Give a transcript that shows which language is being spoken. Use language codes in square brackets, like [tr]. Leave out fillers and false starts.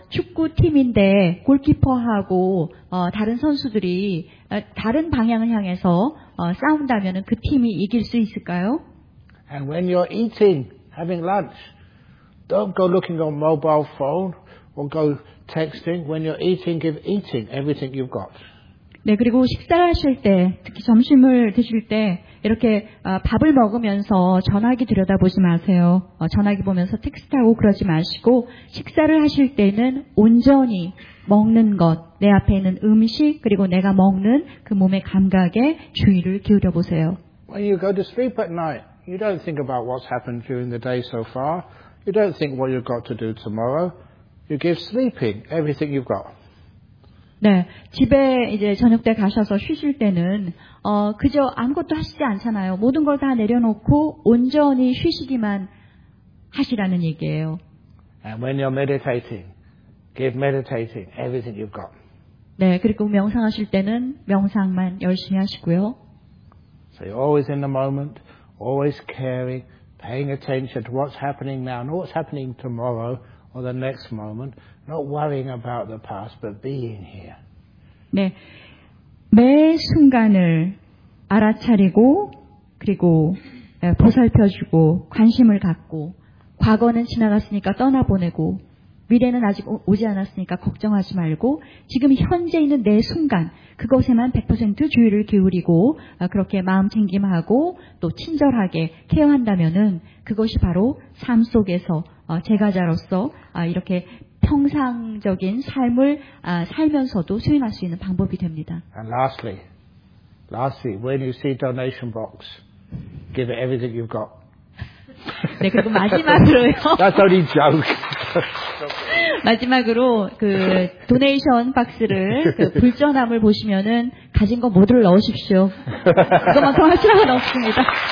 [ko] 축구 팀인데 골키퍼하고 다른 선수들이 다른 방향을 향해서 싸운다면은 그 팀이 이길 수 있을까요? [en] And when you're eating, having lunch, don't go looking on mobile phone. Or go texting. When you're eating, give everything you've got. [ko] 네, 그리고 식사를 하실 때, 특히 점심을 드실 때 이렇게 밥을 먹으면서 전화기 들여다보지 마세요. 전화기 보면서 텍스트하고 그러지 마시고 식사를 하실 때는 온전히 먹는 것, 내 앞에 있는 음식, 그리고 내가 먹는 그 몸의 감각에 주의를 기울여 보세요. [en] When you go to sleep at night, you don't think about what's happened during the day so far. You don't think what you've got to do tomorrow. You give sleeping everything you've got. [ko] 네, 집에 이제 저녁 때 가셔서 쉬실 때는 그저 아무것도 하시지 않잖아요. 모든 걸 다 내려놓고 온전히 쉬시기만 하시라는 얘기예요. [en] And when you're meditating, give meditating everything you've got. [ko] 네, 그리고 명상하실 때는 명상만 열심히 하시고요. [en] So you're always in the moment, always caring, paying attention to what's happening now, not what's happening tomorrow or the next moment. Not worrying about the past, but being here. [ko] 네, 매 순간을 알아차리고 그리고 보살펴주고 관심을 갖고 과거는 지나갔으니까 떠나보내고 미래는 아직 오지 않았으니까 걱정하지 말고 지금 현재 있는 내 순간 그것에만 100% 주의를 기울이고 그렇게 마음 챙김하고 또 친절하게 케어한다면은 그것이 바로 삶 속에서 제과자로서 이렇게 평상적인 삶을 살면서도 수행할 수 있는 방법이 됩니다. [en] And lastly, when you see donation box, give it everything you've got. [ko] 네, 그리고 마지막으로요. [en] That's only joke. [ko] 마지막으로 그 도네이션 박스를 그 불전함을 보시면은 가진 거 모두를 넣으십시오. 그것만큼 할 필요가 없습니다.